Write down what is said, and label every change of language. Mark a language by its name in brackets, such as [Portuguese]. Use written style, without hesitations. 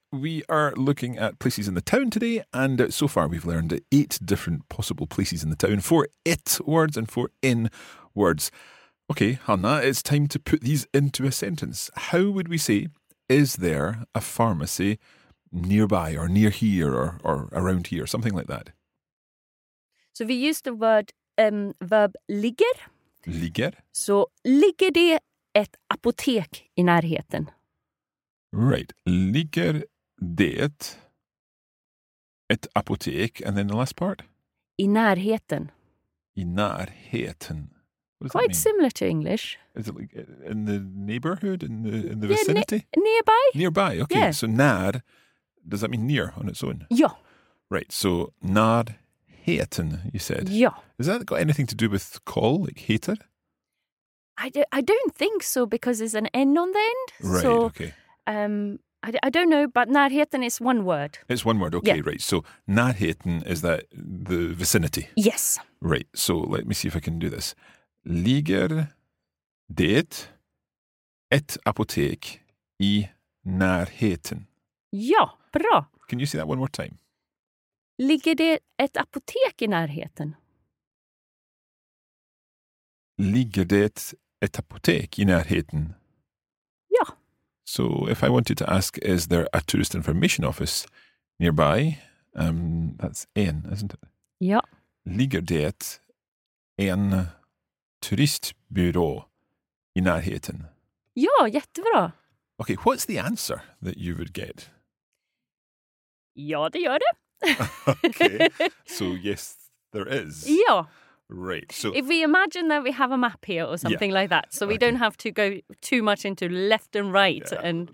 [English] We are looking at places in the town today, and so far we've learned 8 different possible places in the town, 4 it words and 4 in words. Okay, Hanna, it's time to put these into a sentence. How would we say, is there a pharmacy nearby or near here or around here, something like that? So we use the word verb ligger. [Swedish] Ligger. So ligger det ett apotek i närheten? [English] Right. [Swedish] Ligger det ett apotek? [English] And then the last part? [Swedish] I närheten. I närheten. [English] Quite similar to English. Is it like in the neighborhood, in the vicinity? Nearby. Nearby, okay. Yeah. So när, does that mean near on its own? [Swedish] Ja. [English] Right, so närheten, you said. [Swedish] Ja. [English] Has that got anything to do with call, like heter? I don't think so because there's an N on the end. Right, so, okay. I don't know, but Närheten is one word. It's one word, okay, yeah. Right. So Närheten, is that the vicinity? Yes. Right, so let me see if I can do this. [Swedish] Ligger det ett apotek I Närheten? Ja, bra. [English] Can you say that one more time? [Swedish] Ligger det ett apotek I närheten? Ligger det ett apotek I närheten? Ja. [English] So if I wanted to ask, is there a tourist information office nearby? That's en, isn't it? [Swedish] Ja. Ligger det en turistbyrå I närheten? Ja, jättebra. [English] Okay, what's the answer that you would get? [Swedish] Ja, det gör det. [English] Okay, so yes, there is. [Swedish] Ja. [English] Right, so... If we imagine that we have a map here or something like that, so we don't have to go too much into left and right and...